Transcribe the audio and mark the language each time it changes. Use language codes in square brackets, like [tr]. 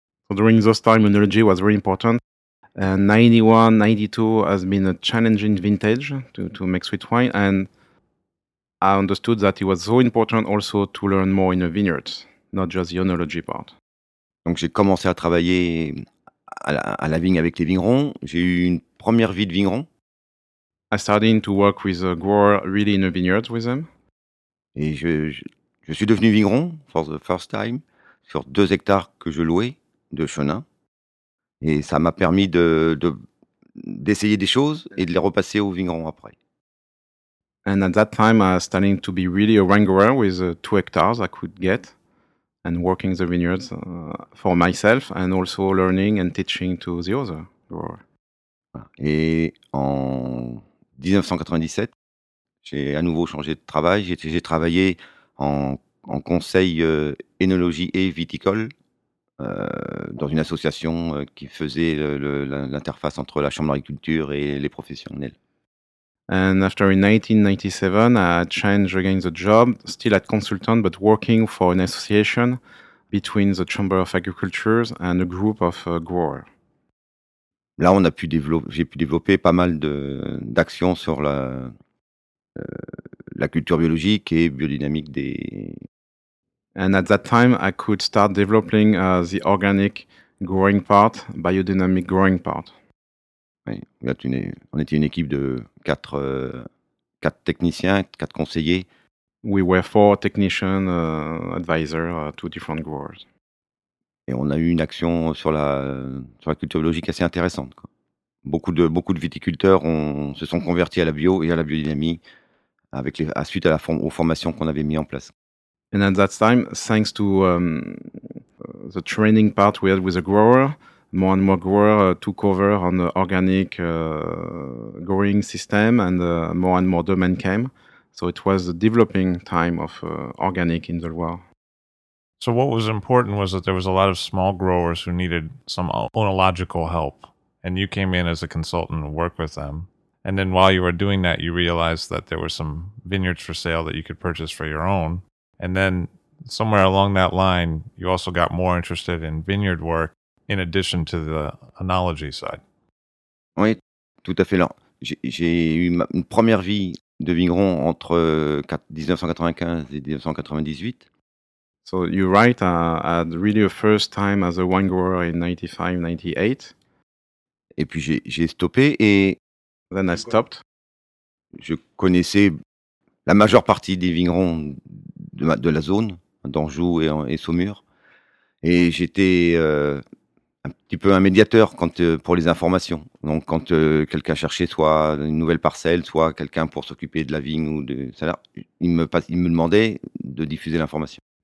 [en] So during those time, oenology was very important. 91, 92 has been a challenging vintage to make sweet wine, and I understood that it was so important also to learn more in a vineyard, not just the oenology part. [fr] Donc j'ai commencé à travailler à la vigne avec les vignerons. J'ai eu une première vie de vigneron. [en] I started to work with a grower really in a vineyard with them. [fr] Et je suis devenu vigneron [en] for the first time [fr] sur 2 hectares que je louais de Chenin. Et ça m'a permis d'essayer des choses et de les repasser au vigneron après. [en] And at that time, I was starting to be really a wrangler with 2 hectares I could get and working the vineyards for myself and also learning and teaching to the other grower. [fr] Et en 1997, J'ai à nouveau changé de travail. J'ai travaillé en conseil œnologie et viticole dans une association qui faisait l'interface entre la chambre d'agriculture et les professionnels. [en] And after in 1997, I changed again the job, still at consultant, but working for an association between the Chamber of Agriculture and a group of growers. [fr] Là, on a pu développer, j'ai pu développer pas mal d'actions sur la culture biologique et biodynamique des. [en] And at that time, I could start developing the organic growing part, biodynamic growing part. [fr] Oui, on était une équipe de quatre techniciens, quatre conseillers. [en] We were four technicians, advisors, two different growers. [fr] Et on a eu une action sur la culture biologique assez intéressante. Quoi. Beaucoup de viticulteurs se sont convertis à la bio et à la biodynamie suite aux formations qu'on avait mis en place. [en] And at that time, thanks to the training part we had with the grower, more and more growers took over on the organic growing system, and more demand came. So it was the developing time of organic in the Loire. So what was important was that there was a lot of small growers who needed some oenological help, and you came in as a consultant to work with them. And then while you were doing that, you realized that there were some vineyards for sale that you could purchase for your own. And then somewhere along that line, you also got more interested in vineyard work in addition to the oenology side. [fr] Oui, tout à fait. J'ai eu une première vie de vigneron entre 1995 et 1998. [en] So you're right, I had really a first time as a wine grower in 1995-1998. [fr] Et puis j'ai stoppé et... [en] Then I stopped. [fr] Je connaissais la majeure partie des vignerons de la zone, d'Anjou et Saumur. Et j'étais un petit peu un médiateur pour les informations. Donc quand quelqu'un cherchait soit une nouvelle parcelle, soit quelqu'un pour s'occuper de la vigne ou de salaire, il me demandait de diffuser l'information.